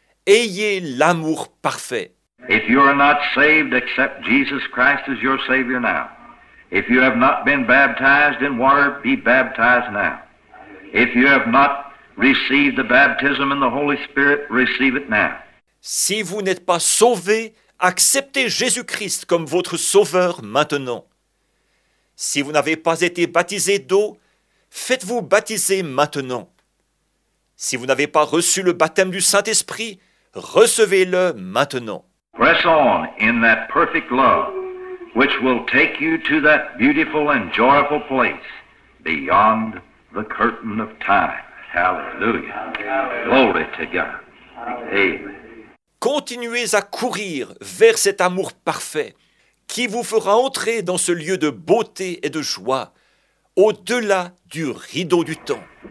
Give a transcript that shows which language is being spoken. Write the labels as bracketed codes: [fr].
[fr] Ayez l'amour parfait. [en] If you are not saved, accept Jesus Christ as your Savior now. If you have not been baptized in water, be baptized now. If you have not received the baptism in the Holy Spirit, receive it now. [fr] Si vous n'êtes pas sauvé, acceptez Jésus-Christ comme votre sauveur maintenant. Si vous n'avez pas été baptisé d'eau, faites-vous baptiser maintenant. Si vous n'avez pas reçu le baptême du Saint-Esprit, recevez-le maintenant. [en] Press on in that perfect love, which will take you to that beautiful and joyful place beyond the curtain of time. Hallelujah. Glory to God. Amen. [fr] Continuez à courir vers cet amour parfait qui vous fera entrer dans ce lieu de beauté et de joie, au-delà du rideau du temps.